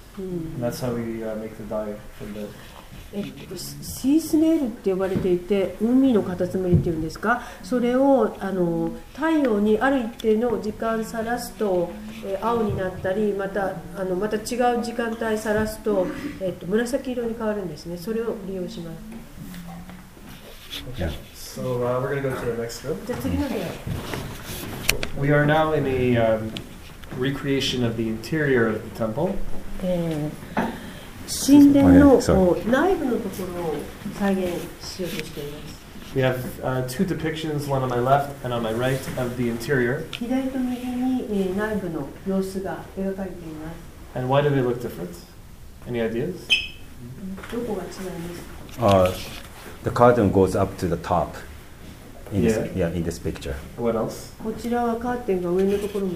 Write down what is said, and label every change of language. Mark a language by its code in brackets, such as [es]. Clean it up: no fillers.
[en] And that's how we make the dye from the... [ja] シースネイルって呼ばれていて、海のカタツムリっていうんですか、それをあの太陽にある一定の時間さらすと、青になったり、またあのまた違う時間帯さらすと、紫色に変わるんですね。それを利用します。 [en] So we're going to go to the next room. [ja] じゃあ次の部屋。 [en] We are now in the recreation of the interior of the temple. [ja] 神殿の内部のところを再現しようとしています。 [en] We have two depictions, one on my left and on my right, of the interior. [ja] 左と右に内部の様子が描かれています。 [en] And why do they look different? Any ideas? [ja] どこが違うんです [en] か?The curtain goes up to the top. In this, in this picture. What else? [ja] こちらはカーテンが上のところも。